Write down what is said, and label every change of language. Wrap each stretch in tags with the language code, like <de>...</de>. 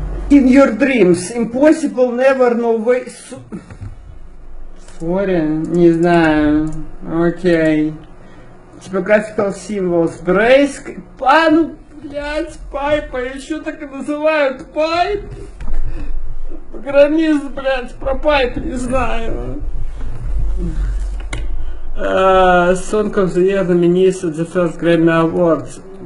<en>In your dreams, impossible, never, no way.</en> <ru>Sorry, не знаю.</ru> <en>Окей. Typographical symbols, brace.</en> <ru>А, ну, блядь, pipe, еще так и называют pipe. Программист, блядь, про pipe не знаю.</ru> <en>Song of the Year nominees at the first Grammy Awards.</en>